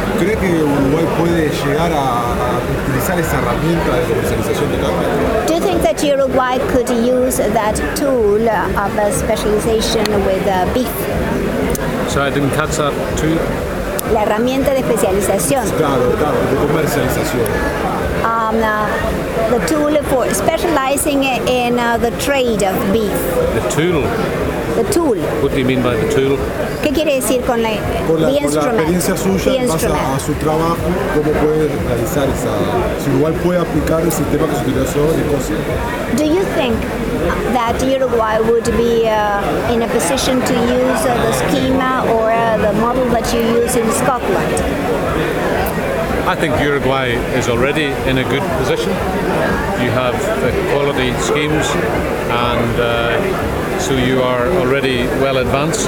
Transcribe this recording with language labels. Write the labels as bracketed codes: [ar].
[es] ¿Cree que Uruguay puede llegar a utilizar esa herramienta de comercialización de carne? [en] Do you think that Uruguay could use that tool of specialization with beef? Sorry, I didn't catch that tool. [es] La herramienta de especialización. Claro, de comercialización. [en] The tool for specializing in the trade of beef. The tool. The tool. What do you mean by the tool? [es] ¿Qué quiere decir con la experiencia suya en base a su trabajo? ¿Cómo puede realizar esa? Si Uruguay puede aplicar el sistema que se utilizó en Escocia. [en] Do you think that Uruguay would be in a position to use the schema or the model that you use in Scotland? I think Uruguay is already in a good position. You have the quality schemes and so you are already well advanced.